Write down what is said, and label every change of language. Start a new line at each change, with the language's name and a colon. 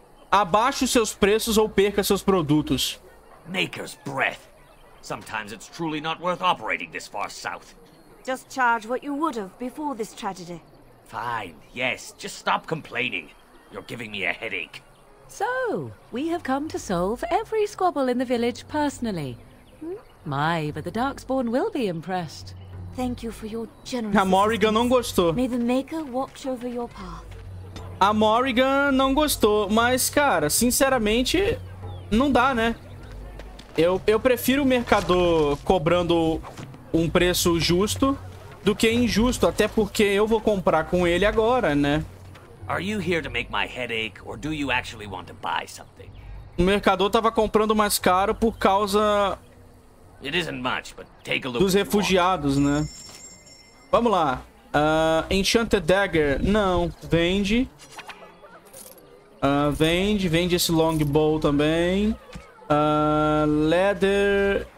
Portuguese: Abaixe os seus preços ou perca seus produtos.
English: Maker's breath. Sometimes it's truly not worth operating this far south. Just charge what you would have before this tragedy. Fine, yes. Just stop complaining. You're giving me a headache. So, we have come to solve every squabble in the village personally. My, but the Darkspawn will be impressed. Thank you for your generous...
Portuguese: A Morrigan não gostou.
English: May the Maker watch over your path.
Portuguese: A Morrigan não gostou, mas, cara, sinceramente, não dá, né? Eu prefiro o mercador cobrando um preço justo do que injusto, até porque eu vou comprar com ele agora, né?
English: Are you here to make my headache, or do you actually want to buy something?
Portuguese: O mercador tava comprando mais caro por causa...
English: It isn't much, but take a look
Portuguese: dos refugiados, né? Vamos lá. Enchanted Dagger. Não, vende. Vende esse longbow também. Leather.